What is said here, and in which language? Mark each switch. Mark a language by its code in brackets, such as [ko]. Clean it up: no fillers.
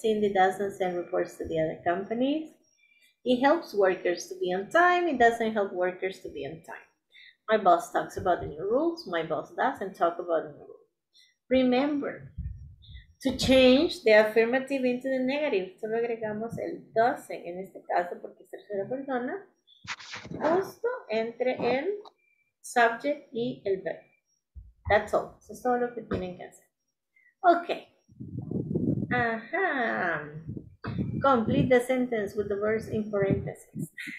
[en] Cindy doesn't send reports to the other companies. He helps workers to be on time. He doesn't help workers to be on time. My boss talks about the new rules. My boss doesn't talk about the new rules. Remember to change the affirmative into the negative. [es] Solo agregamos el doesn't en este caso porque es tercera persona, justo entre el subject y el verb. [en] That's all. [es] Eso es todo lo que tienen que hacer. Okay. Ajá. [en] Complete the sentence with the verbs in parentheses.